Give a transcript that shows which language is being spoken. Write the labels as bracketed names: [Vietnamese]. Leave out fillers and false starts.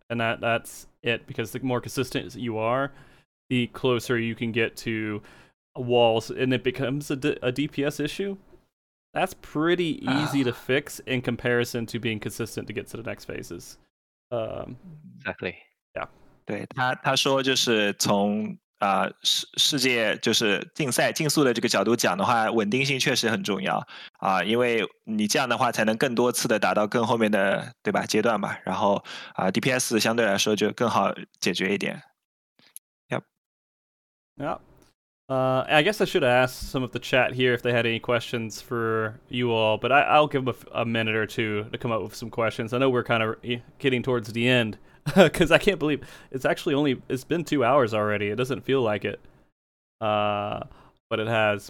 [English] And that's it, because the more consistent you are, the closer you can get to walls, and it becomes a DPS issue. That's pretty easy to fix in comparison to being consistent to get to the next phases. Exactly. Yeah. [Chinese] 对，他说就是从世界就是竞赛竞速的这个角度讲的话，稳定性确实很重要因为你这样的话才能更多次的达到更后面的，对吧，阶段吧，然后DPS 相对来说就更好解决一点。 [English] Yep. Yep. I guess I should ask some of the chat here if they had any questions for you all, but I'll give them a minute or two to come up with some questions. I know we're kind of getting towards the end, because I can't believe it's been 2 hours already. It doesn't feel like it, but it has.